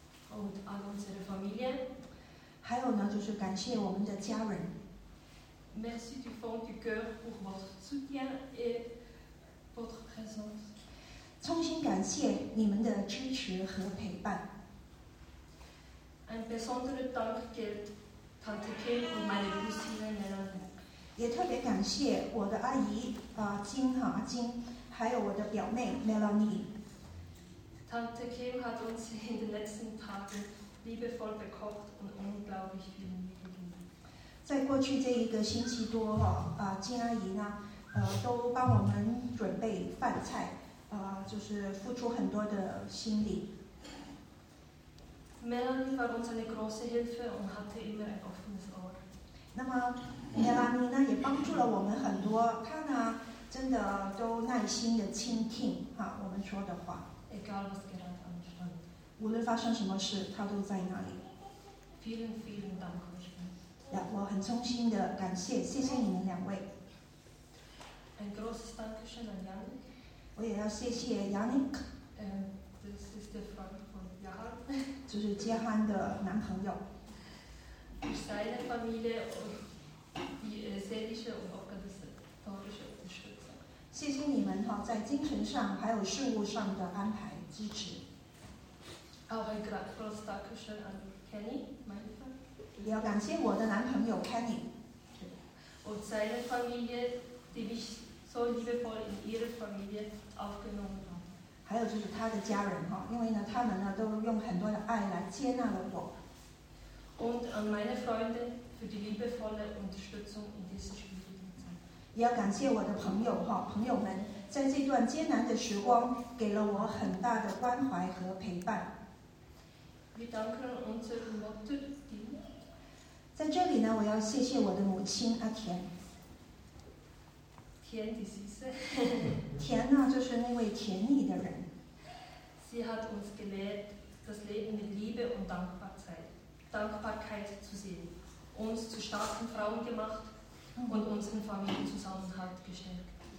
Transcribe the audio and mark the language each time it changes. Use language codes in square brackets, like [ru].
[de] Und all unsere Familien. [zh] 还有呢，就是感谢我们的家人。 [fr] Merci du fond du cœur pour votre soutien et votre présence. [zh] 衷心感谢你们的支持和陪伴。 [de] Ein besonderer Dank gilt Tante Kim und meine Cousine Melanie. [zh] 也特别感谢我的阿姨金哈金，还有我的表妹 Melanie。 [de] Tante Kim hat uns in den letzten Tagen liebevoll bekocht und unglaublich viel gegeben. [zh] 在过去这一个星期多金阿姨呢，都帮我们准备饭菜，就是付出很多的心力。 [de] Melanie war uns eine große Hilfe und hatte immer ein offenes Ohr. [zh] 那么 Melanie 呢，也帮助了我们很多，她呢，真的都耐心的倾听我们说的话。 [de] Egal was gerade anstand. [zh] 无论发生什么事，他都在那里。 [de] Vielen, vielen Dank. [zh] 我很衷心地感谢, 谢谢你们两位。 [de] Ein großes Dankeschön an Janik. [zh] 我也要谢谢 Janik. [de] Das ist der Freund von Jahan. [zh] 就是杰汉的男朋友。 [de] Für seine Familie und die seelische und organisatorische Unterstützung. [zh] 谢谢你们, 在精神上, 还有事务上的安排, 支持。 [de] Auch ein großes Dankeschön an Kenny, meine Frau. [zh] 也要感谢我的男朋友 Kenny. [de] Und seine Familie, die mich so liebevoll in ihre Familie aufgenommen hat. [zh] 还有就是他的家人, 因为呢, 他们呢, 都用很多的爱来接纳了我。 [de] Und an meine Freunde für die liebevolle Unterstützung in dieser schwierigen Zeit. [zh] 也要感谢我的朋友, 朋友们, 在这段艰难的时光, 给了我很大的关怀和陪伴。 [de] Wir danken unserer Mutter, Dina. [zh] 在这里呢, 我要谢谢我的母亲, 阿田。 [de] Tien, die Süße. [zh] 田呢, 就是那位甜腻的人。 [de] Sie hat uns gelehrt, das Leben mit Liebe und Dankbarkeit zu sehen, uns zu starken Frauen gemacht und unseren Familienzusammenhalt gestärkt.